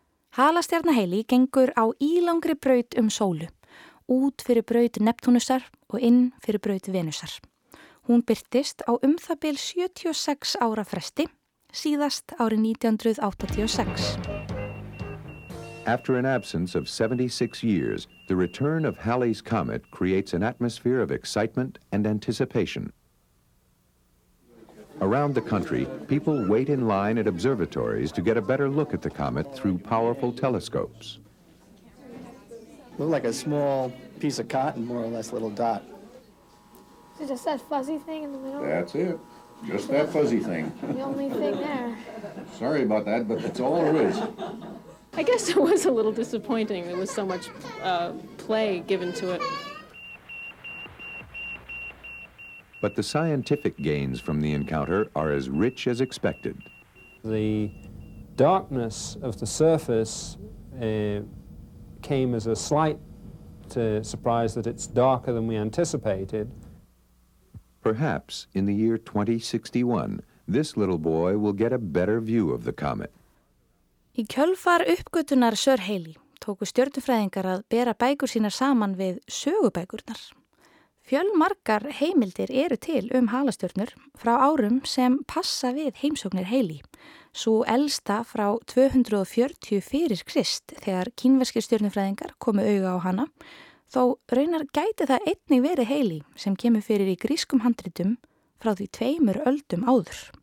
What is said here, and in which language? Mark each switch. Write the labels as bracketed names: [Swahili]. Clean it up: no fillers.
[Icelandic] Halastjarna Haley gengur á ílangri braut sólu, út fyrir braut Neptúnusar og inn fyrir braut Venusar. Hún birtist á umþabil 76 ára fresti, síðast árið 1986. [English] After an absence of 76 years, the return of Halley's comet creates an atmosphere of excitement and anticipation. Around the country, people wait in line at observatories to get a better look at the comet through powerful telescopes. Looked like a small piece of cotton, more or less little dot. Is it just that fuzzy thing in the middle? That's it. Just that fuzzy thing. The only thing there. Sorry about that, but that's all there is. I guess it was a little disappointing. There was so much play given to it. But the scientific gains from the encounter are as rich as expected. The darkness of the surface came as a slight surprise that it's darker than we anticipated. Perhaps in the year 2061, this little boy will get a better view of the comet. [Icelandic] Í kjölfar uppgötunar Sir Haley tóku stjörnufræðingar að bera bækur sínar saman við sögubækurnar. Fjölmargar heimildir eru til halastjörnur frá árum sem passa við heimsóknir Haley, svo elsta frá 240 fyrir Krist þegar kínverskir stjörnufræðingar komu auga á hana, þó raunar gæti það einnig verið Haley sem kemur fyrir í grískum handritum frá því tveimur öldum áður.